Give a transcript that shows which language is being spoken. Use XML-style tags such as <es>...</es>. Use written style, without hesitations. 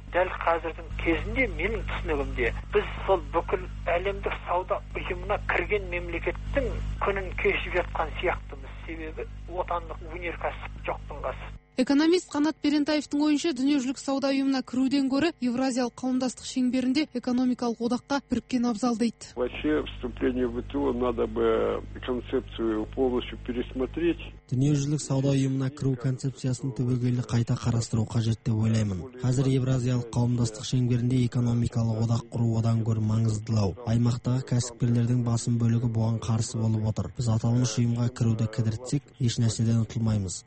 <kk>Дәл қазірдің кезінде менің түсінігімде біз сол бүкіл әлемдік сауда ұйымына кірген мемлекеттің күнін кешіп жатқан сияқтымыз. Себебі отандық өнеркәсіп жоқтың қасы. Экономист Қанат Берентаевтың ойынша дүниежүзілік сауда ұйымына кіруден гөрі Евразиялық қауымдастық шеңберінде экономикалық одаққа біріккен абзал дейді.</kk> <ru>Вообще вступление в ВТО надо бы концепцию полностью пересмотреть.</ru> <kk>Дүниежүзілік сауда ұйымына кіру концепциясын түбегейлі қайта қарастыру қажет деп ойлаймын. Қазір Евразиялық қауымдастық шеңберінде экономикалық одақ құру одан гөрі маңыздылау. Аймақтағы кәсіпкерлердің басым бөлігі бұған қарсы болып отыр. Біз аталмыш ұйымға кіруді кідіртсек, еш нәрседен ұтылмаймыз.</kk>